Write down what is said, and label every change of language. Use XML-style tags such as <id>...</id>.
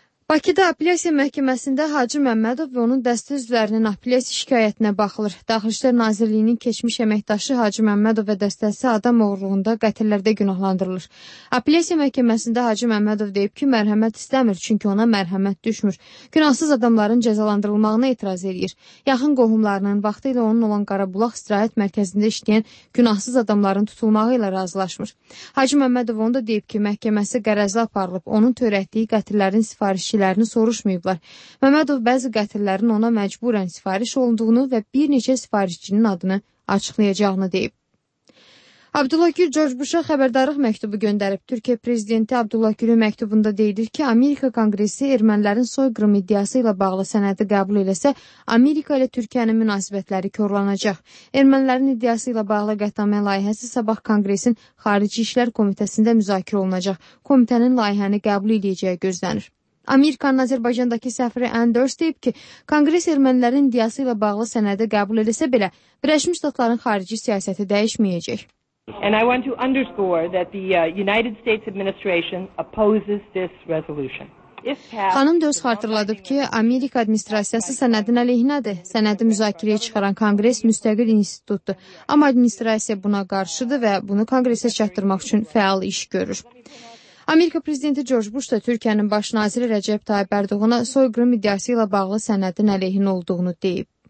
<az>Bakıda apellyasiya məhkəməsində Hacı Məmmədov və onun dəstə üzvlərinin apellyasiya şikayətinə baxılır. Daxili İşlər Nazirliyinin keçmiş əməkdaşı Hacı Məmmədov və dəstəsi adam oğurluğunda qətillərdə günahlandırılır. Apellyasiya məhkəməsində Hacı Məmmədov deyib ki, mərhəmət istəmir, çünki ona mərhəmət düşmür. Günahsız adamların cəzalandırılmağına etiraz edir. Yaxın qohumlarının vaxtı ilə onun olan Qarabulaq istirahət mərkəzində işləyən günahsız adamların tutulmağı ilə razılaşmır. Hacı Məmmədov onda deyib ki, məhkəməsi qərəzli aparılıb, onun törətdiyi qətillərin sifariş işçilərini soruşmayıblar. Məmmədov bəzi qətillərin ona məcburən sifariş olunduğunu və bir neçə sifarişçinin adını açıqlayacağını deyib. Abdullah Gül George Bush'a xəbərdarlıq məktubu göndərib. Türkiyə prezidenti Abdullah Gül'ün məktubunda deyilir ki, Amerika Kongresi ermənilərin soyqırım iddiası ilə bağlı sənədi qəbul eləsə, Amerika ilə Türkiyənin münasibətləri korlanacaq. Ermənilərin iddiası ilə bağlı qətnamə layihəsi sabah Kongresin Xarici İşlər Komitəsində müzakirə olunacaq. Komitənin layihəni qəbul edəcəyi gözlənir. Amerikanın Azərbaycandakı səfiri Anders deyib ki, Kongres ermənilərin iddiası ilə bağlı sənədi qəbul eləsə belə, Birləşmiş Ştatların xarici siyasəti dəyişməyəcək.</az> <en>And I want to underscore that the United States administration opposes this resolution.</en> <az>Xanım Dörs xatırladıb ki, Amerika administrasiyası sənədin əleyhinədir. Sənədi müzakirəyə çıxaran Kongres müstəqil institutdur. Amma administrasiya buna qarşıdır və bunu Kongresə çatdırmaq üçün fəal iş görür. Amerika Prezidenti George Bush da Türkiyənin baş naziri Rəcəb Tayyip Erdoğana soyqırım iddiası ilə bağlı sənədin əleyhinə olduğunu deyib.</az>